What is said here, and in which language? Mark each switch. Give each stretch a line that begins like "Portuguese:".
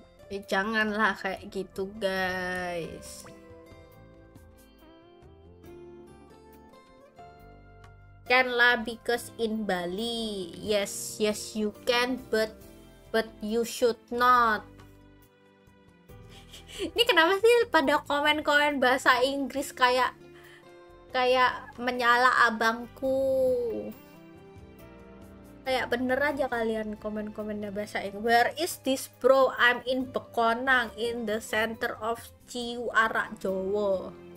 Indonesian: Ya janganlah kayak gitu, guys.
English: Can lah, because in Bali. Yes, yes you can, but you should not.
Indonesian: Ini kenapa sih pada komen-komen bahasa Inggris kayak menyala abangku. Kayak bener aja kalian komen-komennya bahasa Inggris.
English: Where is this bro? I'm in Bekonang, in the center of Ciu Arak Jowo.